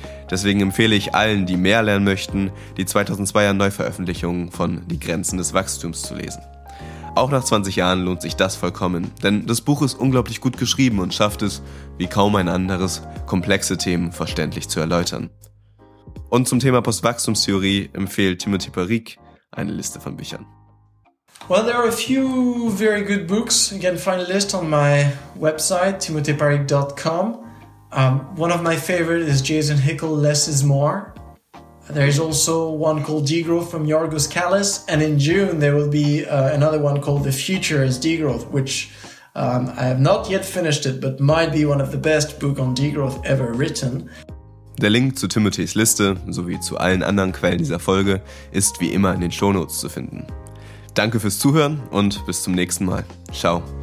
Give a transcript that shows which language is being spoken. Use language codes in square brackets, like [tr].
[de] Deswegen empfehle ich allen, die mehr lernen möchten, die 2002er Neuveröffentlichung von Die Grenzen des Wachstums zu lesen. Auch nach 20 Jahren lohnt sich das vollkommen, denn das Buch ist unglaublich gut geschrieben und schafft es, wie kaum ein anderes, komplexe Themen verständlich zu erläutern. Und zum Thema Postwachstumstheorie empfiehlt Timothy Parik eine Liste von Büchern. [en] Well, there are a few very good books. You can find a list on my website, timothyparik.com. One of my favorite is Jason Hickel, Less is More. There is also one called Degrowth from Yorgos Kallis. And in June, there will be another one called The Future is Degrowth, which I have not yet finished it, but might be one of the best books on degrowth ever written. [de] Der Link zu Timothys Liste sowie zu allen anderen Quellen dieser Folge ist wie immer in den Shownotes zu finden. Danke fürs Zuhören und bis zum nächsten Mal. Ciao.